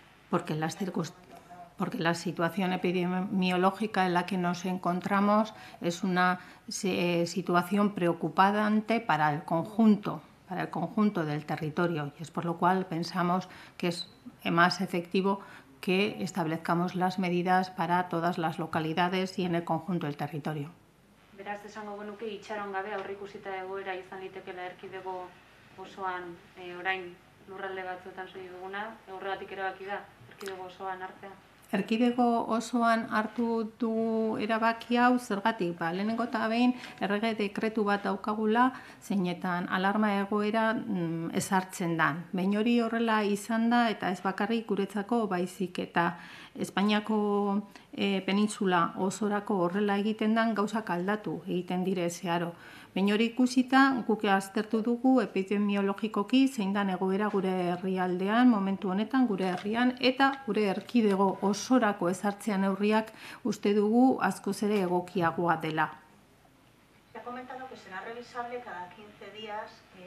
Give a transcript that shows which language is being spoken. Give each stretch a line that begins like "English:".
Spanish: Porque la situación epidemiológica en la que nos encontramos es una situación preocupante para el conjunto del territorio. Y es por lo cual pensamos que es más efectivo que establezcamos las medidas para todas las localidades y en el conjunto del territorio.
Basque: Beraz, esango genuke, itxaron gabe aurreikusita egoera izan litekeela erkidego osoan orain lurralde batzuetan soilik duguna, horregatik erabaki da erkidego osoan artea. Erkidego osoan hartu du erabaki hau zergatik, ba, lehenengo eta behin errege dekretu bat daukagula zeinetan alarma egoera ezartzen da. Behin hori horrela izan da eta ez bakarrik guretzako baizik eta Espainiako penintzula osorako horrela egiten den gauzak aldatu egiten dire zeharo. Behin hori ikusita guk aztertu dugu epidemiologikoki zein den egoera gure herrialdean, momentu honetan gure herrian eta gure erkidego osorako ezartzean neurriak uste dugu askoz ere egokiagoa dela.
Spanish: Ha comentado que será revisable cada 15 días.